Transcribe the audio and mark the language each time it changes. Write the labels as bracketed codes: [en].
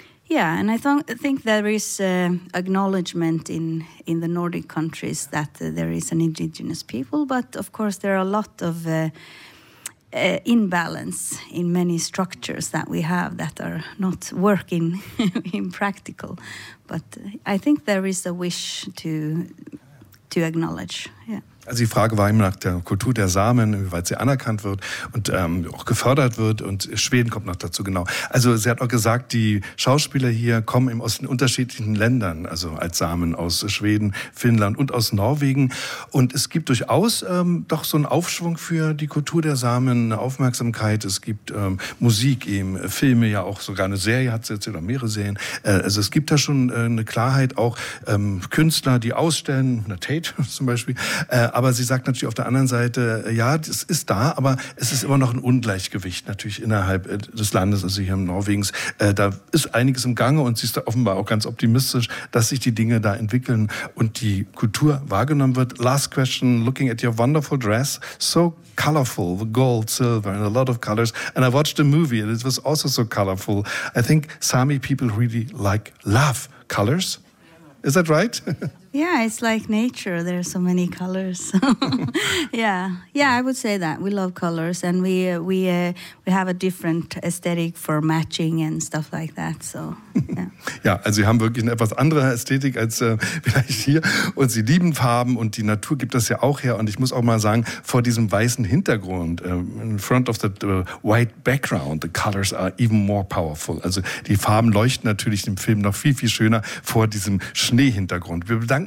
[en] Yeah, and I think there is acknowledgement in the Nordic countries that there is an indigenous people, but of course there are a lot of imbalance in many structures that we have that are not working in practical. But I think there is a wish to acknowledge, yeah. [de] Also die Frage war eben nach der Kultur der Samen, inwieweit sie anerkannt wird und auch gefördert wird. Und Schweden kommt noch dazu, genau. Also sie hat auch gesagt, die Schauspieler hier kommen eben aus den unterschiedlichen Ländern, also als Samen aus Schweden, Finnland und aus Norwegen. Und es gibt durchaus doch so einen Aufschwung für die Kultur der Samen, eine Aufmerksamkeit. Es gibt Musik eben, Filme, ja auch sogar eine Serie hat sie jetzt oder mehrere Serien. Also es gibt da schon eine Klarheit, auch Künstler, die ausstellen, eine Tate zum Beispiel, aber sie sagt natürlich auf der anderen Seite, ja, das ist da, aber es ist immer noch ein Ungleichgewicht natürlich innerhalb des Landes, also hier in Norwegens. Da ist einiges im Gange und sie ist da offenbar auch ganz optimistisch, dass sich die Dinge da entwickeln und die Kultur wahrgenommen wird. [en] Last question, looking at your wonderful dress, so colorful, the gold, silver and a lot of colors. And I watched a movie and it was also so colorful. I think Sami people really like, love colors. Is that right? Yeah, it's like nature. There are so many colors. yeah, I would say that. We love colors and we have a different aesthetic for matching and stuff like that. So, yeah. [de] Ja, also sie haben wirklich eine etwas andere Ästhetik als vielleicht hier. Und sie lieben Farben und die Natur gibt das ja auch her. Und ich muss auch mal sagen, vor diesem weißen Hintergrund, [en] in front of the white background, the colors are even more powerful. [de] Also die Farben leuchten natürlich im Film noch viel, viel schöner vor diesem Schneehintergrund. Wir bedanken